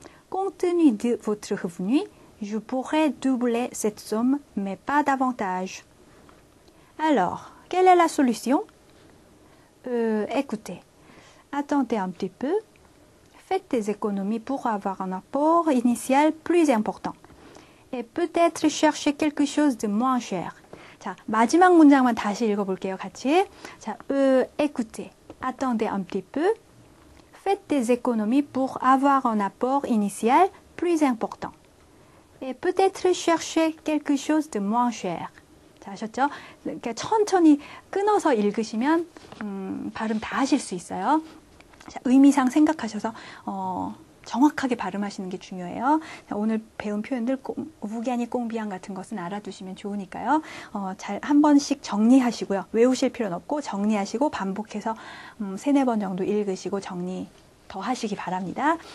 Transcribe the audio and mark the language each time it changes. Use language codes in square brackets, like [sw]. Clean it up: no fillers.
[fr] Compte tenu de votre revenu, je pourrais doubler cette somme, mais pas davantage. Alors, quelle est la solution? Écoutez, attendez un petit peu. Faites des économies pour avoir un apport initial plus important. Et peut-être cherchez quelque chose de moins cher. [ko] 자, 마지막 문장만 다시 읽어볼게요, 같이. [fr] 자, écoutez, attendez un petit peu. Faites des économies pour avoir un apport initial plus important. Et peut-être chercher quelque chose de moins cher. [ko] 자, 아셨죠? 그러니까 천천히 끊어서 읽으시면, 발음 다 하실 수 있어요. 자, 의미상 생각하셔서, 정확하게 발음하시는 게 중요해요. 자, 오늘 배운 표현들, 우기아니 꽁비안 같은 것은 알아두시면 좋으니까요. 잘한 번씩 정리하시고요. 외우실 필요는 없고, 정리하시고, 반복해서, 세네 번 정도 읽으시고, 정리 더 하시기 바랍니다.